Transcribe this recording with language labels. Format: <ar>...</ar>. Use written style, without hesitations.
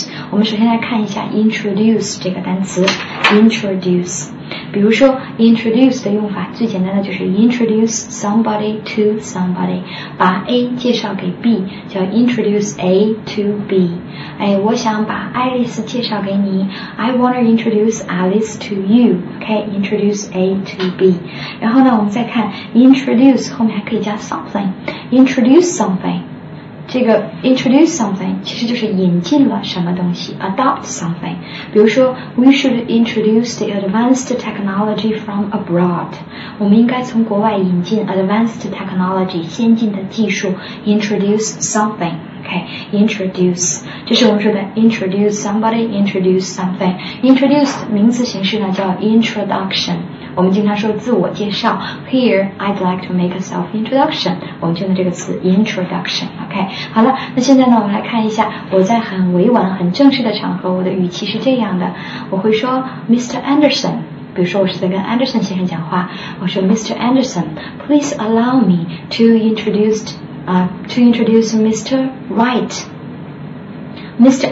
<zh>我们首先来看一下 introduce 这个单词 introduce。比如说 introduce 的用法最简单的就是 introduce somebody to somebody， 把 A 介绍给 B 叫 introduce A to B。哎，我想把爱丽丝介绍给你，</zh> <en>I want to introduce Alice to you，</en> <zh>OK， introduce A to B。然后呢，我们再看 introduce 后面还可以加 something， introduce something，这个 introduce something 其实就是引进了什么东西， adopt something。</zh> <en>比如说 we should introduce the advanced technology from abroad，</en> <zh>我们应该从国外引进</zh> <en>advanced technology，</en> <zh>先进的技术，</zh> <en>introduce something。 Okay, introduce， 这是我们说的 introduce somebody, introduce something。</en> <zh>introduce 名词形式呢叫 introduction， 我们经常说自我介绍。</zh> <en>Here I'd like to make a self introduction，</en> <zh>我们就用这个词</zh> <en>introduction。</en> <zh>OK， 好了，那现在呢我们来看一下，我在很委婉很正式的场合，我的语气是这样的，我会说 Mr. Anderson，比如说我是在跟 Anderson 先生讲话，我说 Mr.</zh> <en>Anderson, please allow me to introduce Mr. Wright. Mr.</en>